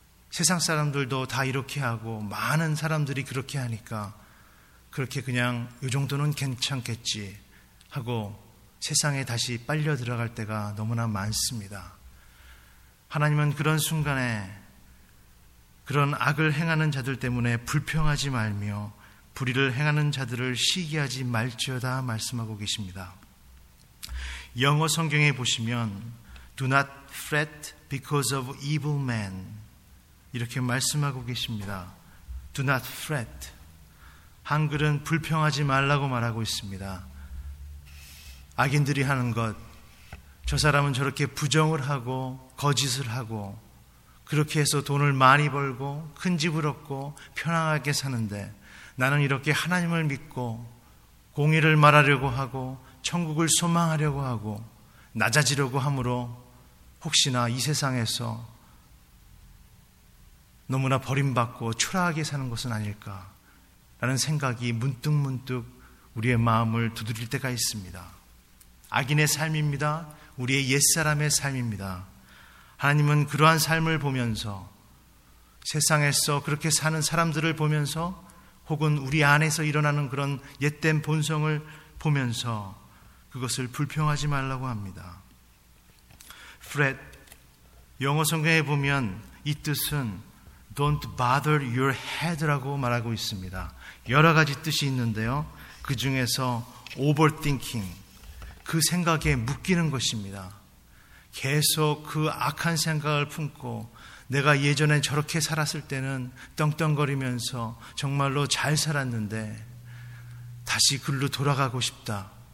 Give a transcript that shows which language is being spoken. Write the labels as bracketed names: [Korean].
[Korean] 세상 사람들도 다 이렇게 하고 많은 사람들이 그렇게 하니까 그렇게 그냥 이 정도는 괜찮겠지 하고 세상에 다시 빨려 들어갈 때가 너무나 많습니다. 하나님은 그런 순간에 그런 악을 행하는 자들 때문에 불평하지 말며 불의를 행하는 자들을 시기하지 말지어다 말씀하고 계십니다. 영어 성경에 보시면 [English] Do not fret because of evil men [Korean] 이렇게 말씀하고 계십니다. [English] Do not fret. [Korean] 한글은 불평하지 말라고 말하고 있습니다. 악인들이 하는 것, 저 사람은 저렇게 부정을 하고 거짓을 하고 그렇게 해서 돈을 많이 벌고 큰 집을 얻고 편안하게 사는데 나는 이렇게 하나님을 믿고 공의를 말하려고 하고 천국을 소망하려고 하고 낮아지려고 함으로 혹시나 이 세상에서 너무나 버림받고 초라하게 사는 것은 아닐까라는 생각이 문득문득 우리의 마음을 두드릴 때가 있습니다. 악인의 삶입니다. 우리의 옛사람의 삶입니다. 하나님은 그러한 삶을 보면서, 세상에서 그렇게 사는 사람들을 보면서, 혹은 우리 안에서 일어나는 그런 옛된 본성을 보면서 그것을 불평하지 말라고 합니다. Fret, 영어 성경에 보면 이 뜻은 [English] Don't bother your head [Korean] 라고 말하고 있습니다. 여러 가지 뜻이 있는데요. 그 중에서 overthinking, 그 생각에 묶이는 것입니다. 계속 그 악한 생각을 품고 내가 예전에 저렇게 살았을 때는 떵떵거리면서 정말로 잘 살았는데 다시 그로 돌아가고 싶다.